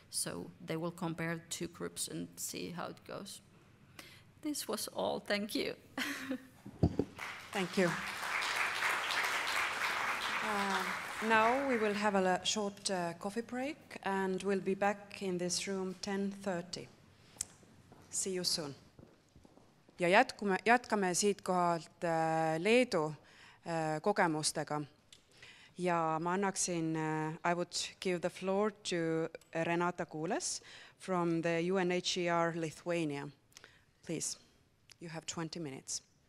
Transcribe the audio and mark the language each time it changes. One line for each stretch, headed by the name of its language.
English: So they will compare two groups and see how it goes. This was all. Thank you. Thank you. Now we will have a short coffee break, and we'll be back in this room 10:30. See you soon.
Estonian: Ja jätkame siit kohalt Leedu kogemustega. Ja ma annaksin,
English: I would give the floor to Renata Kules from the UNHCR Lithuania. Please, you have 20 minutes.